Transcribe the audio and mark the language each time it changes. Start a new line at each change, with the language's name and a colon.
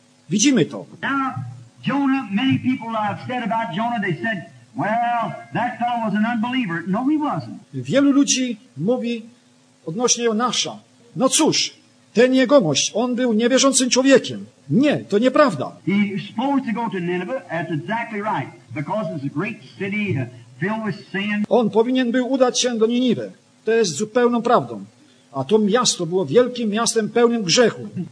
Polish: Widzimy to.
English: Now, Jonah, many people have said about Jonah, they said, well, that fellow was an unbeliever. No, he wasn't.
Polish: Wielu ludzi mówi odnośnie Jonasza, no cóż, ten jegomość, on był niewierzącym człowiekiem. Nie, to nieprawda.
English: He was supposed to go to Nineveh, that's exactly right, because it's a great city filled with sin.
Polish: On powinien był udać się do Niniwy. To jest zupełną prawdą. A to miasto było wielkim miastem pełnym grzechu.